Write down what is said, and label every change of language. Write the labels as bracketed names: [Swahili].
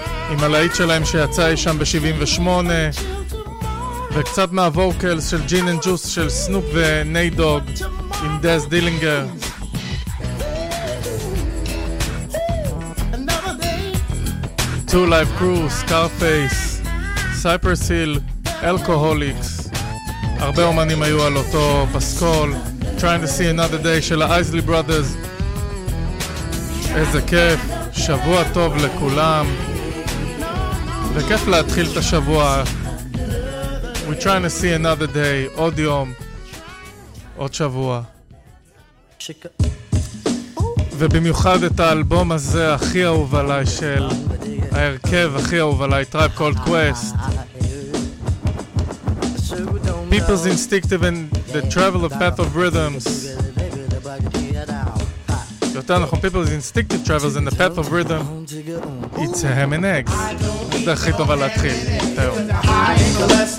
[Hebrew] עם הלהיט שלהם שיצא אי שם ב-78 וקצת מהווקלס של ג'ין אנד ג'וס של סנופ וניי דוג עם דז דילינגר. טו לייב קרו, סקארפייס, סייפרס היל, אלכוהוליקס, הרבה אומנים היו על אותו פסקול. [English] Trying to see another day [Hebrew] של האייזלי ברודרס. איזה כיף, שבוע טוב לכולם, וכיף להתחיל את השבוע. [English] We're trying to see another day, [Hebrew] עוד יום, עוד שבוע. ובמיוחד את האלבום הזה הכי אהוב עליי של ההרכב הכי אהוב עליי, Tribe Called Quest. [English] People's Instinctive and the Travel of Path of Rhythms. [Hebrew] יותר נכון, People's Instinctive Travels and the Path of Rhythm. [English] It's a ham and eggs. [Hebrew] זה הכי טובה להתחיל. תאו.